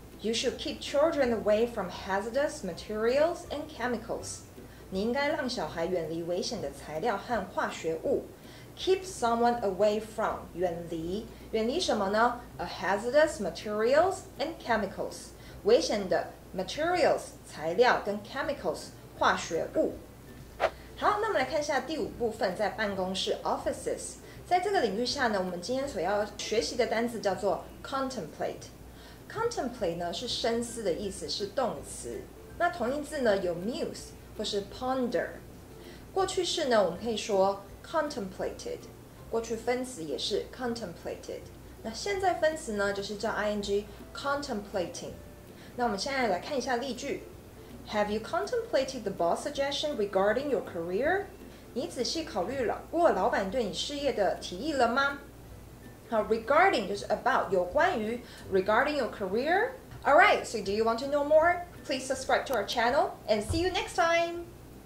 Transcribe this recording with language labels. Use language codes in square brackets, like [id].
[en] You should keep children away from hazardous materials and chemicals。 [zh] 你应该让小孩远离危险的材料和化学物。 [en] Keep someone away from， [zh] 远离什么呢？ [en] a hazardous materials and chemicals， [zh] 危险的 materials 材料跟 chemicals 化学物。好，那我们来看一下第五部分，在办公室 offices。在这个领域下呢，我们今天所要学习的单字叫做 contemplate。 contemplate 呢是深思的意思，是动词。那同音字呢有 muse 或是 ponder。过去式呢，我们可以说 contemplated。过去分词也是 contemplated。那现在分词呢，就是叫 ing contemplating。那我们现在来看一下例句。 [en] Have you contemplated the boss suggestion regarding your career? [zh] 你仔细考虑了过老板对你事业的提议了吗？ [en] 好 ，regarding [zh] 就是 [en] about [zh] 有关于 [en] regarding your career. All right, so do you want to know more? Please subscribe to our channel and see you next time.